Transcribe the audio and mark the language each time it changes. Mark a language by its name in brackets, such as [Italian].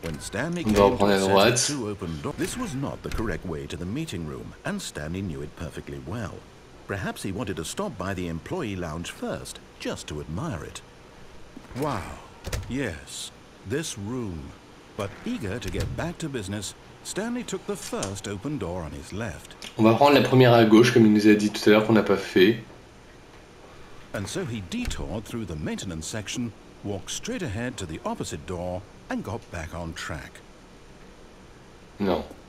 [English] When Stanley came to set two open doors, this was not the correct way to the meeting room, and Stanley knew it perfectly well. Perhaps he wanted to stop by the employee lounge first, just to admire it. Wow, yes, this room. But eager to get back to business, Stanley took the first open door on his left. [French] On va prendre la première à gauche, comme il nous a dit tout à l'heure qu'on n'a pas fait. [English] And so he detoured through the maintenance section, walked straight ahead to the opposite door, and got back on track. [French] Non.